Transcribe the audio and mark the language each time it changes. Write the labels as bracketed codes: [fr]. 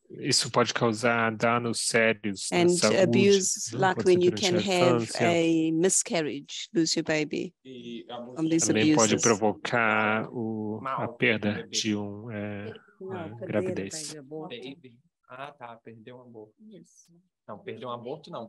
[pt] Isso pode causar danos sérios. [en] And [pt] na saúde. [en] Abuse, like when you can have a miscarriage, lose your baby. [pt] E abuso também abuses. Pode provocar a perda de uma gravidez. Ah, tá, perdeu um aborto. Isso. Não, perdeu um aborto, não.